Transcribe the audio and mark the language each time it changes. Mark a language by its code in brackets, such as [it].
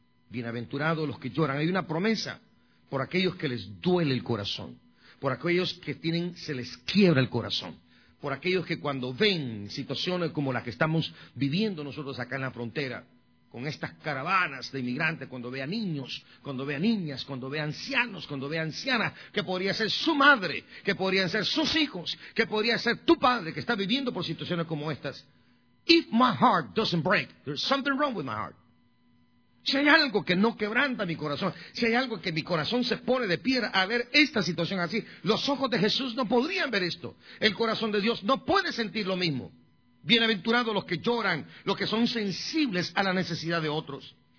[es] Bienaventurados los que lloran. Hay una promesa por aquellos que les duele el corazón, por aquellos que tienen, se les quiebra el corazón, por aquellos que cuando ven situaciones como las que estamos viviendo nosotros acá en la frontera, con estas caravanas de inmigrantes, cuando ve a niños, cuando ve a niñas, cuando ve a ancianos, cuando ve a ancianas, que podría ser su madre, que podrían ser sus hijos, que podría ser tu padre, que está viviendo por situaciones como estas. [en] If my heart doesn't break, there's something wrong with my heart. [es] Si hay algo que no quebranta mi corazón, si hay algo que mi corazón se pone de piedra a ver esta situación así, los ojos de Jesús no podrían ver esto. El corazón de Dios no puede sentir lo mismo. Bienaventurados los que lloran, los que son sensibles a la necesidad de otros.